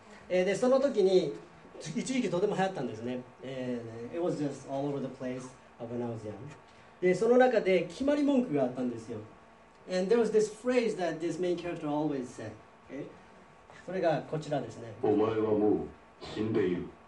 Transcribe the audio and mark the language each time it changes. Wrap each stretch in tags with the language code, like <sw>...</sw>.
<ja>でその時に一時期とても流行ったんですね。</ja> <en>It was just all over the place when I was young.</en> <ja>でその中で決まり文句があったんですよ。</ja> <en>And there was this phrase that this main character always said.</en> <ja>Okay? それがこちらですね。お前はもう死んでいる。</ja>